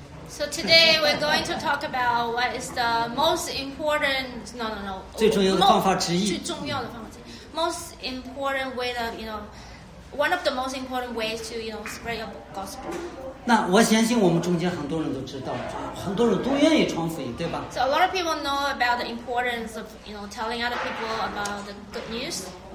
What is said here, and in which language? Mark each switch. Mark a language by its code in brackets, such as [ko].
[en] So today we're going to talk about what is the most important. No. [zh] 最重要的方法之一。最重要的方法之一。 [en] Most important way of, you know, one of the most important ways to, you know, spread your gospel. [zh] 那我相信我们中间很多人都知道，很多人都愿意传福音，对吧 [en] ？So a lot of people know about the importance of, you know, telling other people about the good news.